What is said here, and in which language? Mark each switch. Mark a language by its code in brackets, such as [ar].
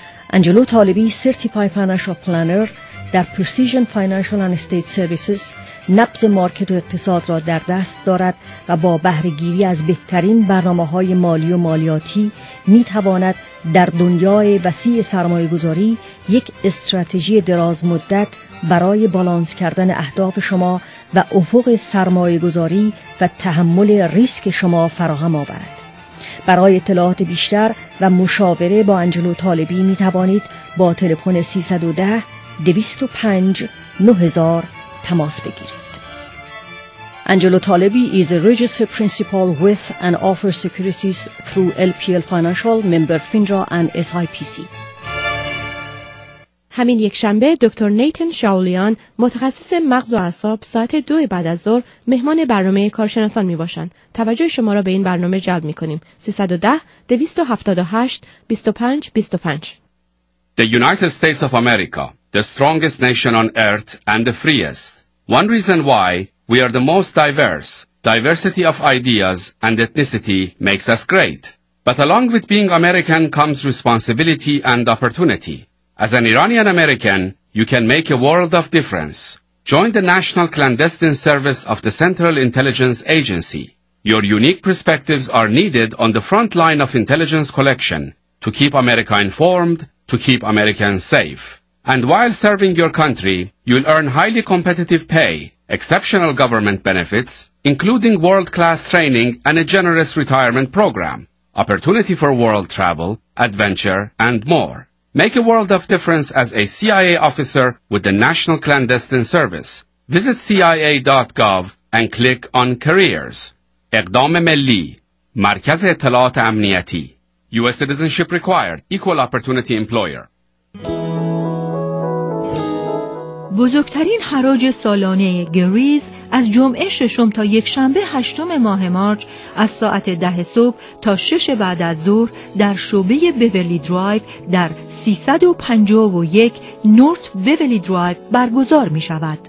[fa] انجلو طالبی، سرتیفای فینانشال پلانر در پرسیژن فینانشال اند استیت سرویسز، نبض مارکت و اقتصاد را در دست دارد و با بهره‌گیری از بهترین برنامه‌های مالی و مالیاتی می‌تواند در دنیای وسیع سرمایه‌گذاری یک استراتژی دراز مدت برای بالانس کردن اهداف شما و افق سرمایه‌گذاری و تحمل ریسک شما فراهم آورد. برای اطلاعات بیشتر و مشاوره با انجلو طالبی می توانید با تلفن 310-205-9000 تماس بگیرید. [en] Angelo Talebi is a registered principal with and offers securities through LPL Financial, member FINRA and SIPC. [fa] همین یک شنبه دکتر نیتن شاولیان، متخصص مغز و اعصاب، ساعت 2 بعد از ظهر مهمان برنامه کارشناسان می باشند. توجه شما را به این برنامه جلب می کنیم. 310-278-2525. [en] The United States of America, the strongest nation on earth and the freest. One reason why we are the most diverse. Diversity of ideas and ethnicity makes us great. But along with being American comes responsibility and opportunity. As an Iranian American, you can make a world of difference. Join the National Clandestine Service of the Central Intelligence Agency. Your unique perspectives are needed on the front line of intelligence collection to keep America informed, to keep Americans safe. And while serving your country, you'll earn highly competitive pay, exceptional government benefits, including world-class training and a generous retirement program, opportunity for world travel, adventure, and more. Make a world of difference as a CIA officer with the National Clandestine Service. Visit CIA.gov and click on Careers. [fa] اقدام ملی، مرکز اطلاعات امنیتی. [en] U.S. citizenship required. Equal opportunity employer. [fa] بزرگترین حراج سالانه گریز از جمعه ششم تا یک شنبه هشتم ماه مارچ از ساعت 10 صبح تا 6 بعد از ظهر در شعبه بیورلی درایو در 351 نورت بیورلی درایو برگزار می شود.